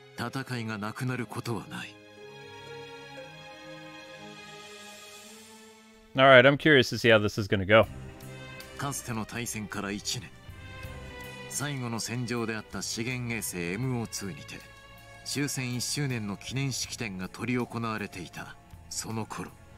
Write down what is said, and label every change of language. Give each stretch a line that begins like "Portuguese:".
Japanese: そして、イブ王子の終結を機に、コロニーと地球は共存の道を選択し、地球圏統一国家を樹立。人々は恒久的平和を実現すべく、地球圏に残る軍の解体と戦闘兵器の廃棄を進めていく。だが、人類がいる限り、戦いがなくなることはない。
English: Alright, I'm curious to see how this is gonna go.
Japanese: かつての対戦から1年、最後の戦場であった資源衛星 MO2にて終戦1周年の記念式典が取り行われていたその頃、